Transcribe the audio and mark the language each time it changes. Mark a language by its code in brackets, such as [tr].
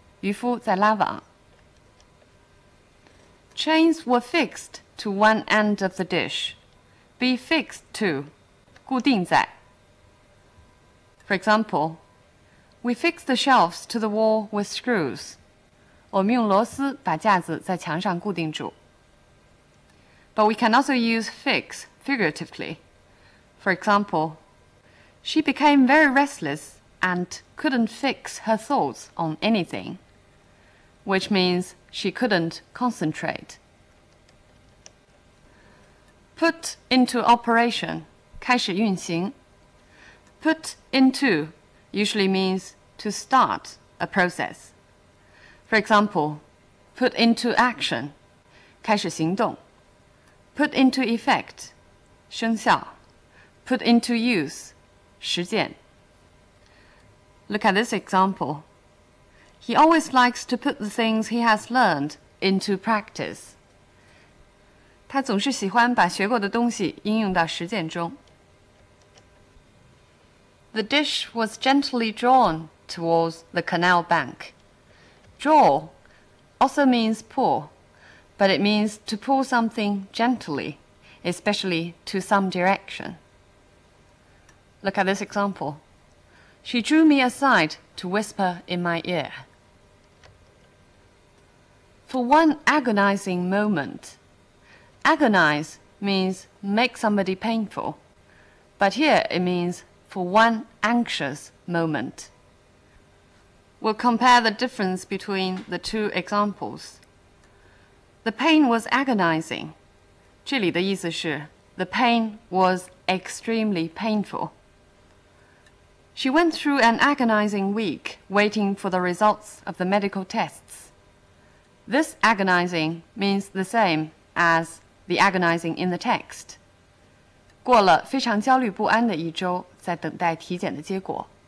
[zh] 渔夫在拉网。 [en] Chains were fixed to one end of the dish. Be fixed to, [zh] 固定在。 [en] For example, we fixed the shelves to the wall with screws. [zh] 我们用螺丝把架子在墙上固定住。 [en] But we can also use fix. Figuratively. For example, she became very restless and couldn't fix her thoughts on anything, which means she couldn't concentrate. Put into operation, [zh] 开始运行 [en] Put into usually means to start a process. For example, put into action, [zh] 开始行动 [en] Put into effect, [zh] 生效 [en] put into use, [zh] 实践 [en] Look at this example. He always likes to put the things he has learned into practice. [zh] 他总是喜欢把学过的东西应用到实践中。 [en] The dish was gently drawn towards the canal bank. Draw also means pull, but it means to pull something gently. Especially to some direction. Look at this example. She drew me aside to whisper in my ear. For one agonizing moment. Agonize means make somebody painful. But here it means for one anxious moment. We'll compare the difference between the two examples. The pain was agonizing. [zh] 这里的意思是 [en] the pain was extremely painful. She went through an agonizing week waiting for the results of the medical tests. This agonizing means the same as the agonizing in the text. [zh] 过了非常焦虑不安的一周在等待体检的结果。